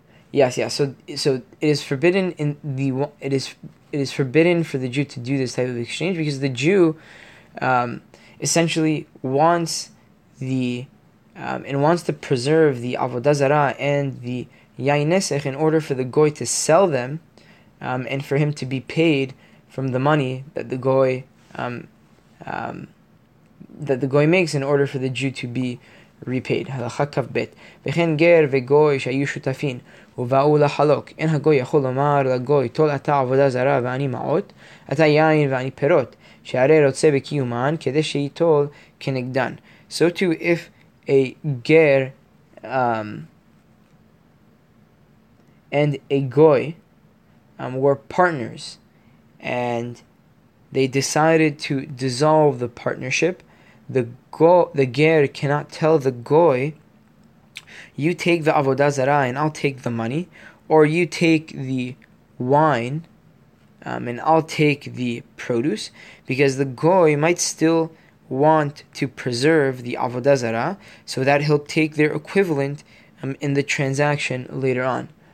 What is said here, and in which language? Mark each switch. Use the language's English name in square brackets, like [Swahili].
[English] Yes. So it is forbidden it is forbidden for the Jew to do this type of exchange, because the Jew essentially wants wants to preserve the Avodah Zarah and the Yain Nesech in order for the goy to sell them, and for him to be paid from the money that the goy makes in order for the Jew to be repaid. [Hebrew] Halacha kaf bet. V'chen ger v'goy shayu shutafin. ובאו לחלוק, אין הגוי יכול לומר לגוי, תול אתה עבודה זרה ואני מעות, אתה יין ואני פירות, שהרי רוצה בקיומן, כדי שיתול כנגדן. [English] So too, if a ger and a goy were partners, and they decided to dissolve the partnership. The ger cannot tell the goy, you take the avodah zarah and I'll take the money, or you take the wine and I'll take the produce, because the goy might still want to preserve the avodah zarah so that he'll take their equivalent in the transaction later on.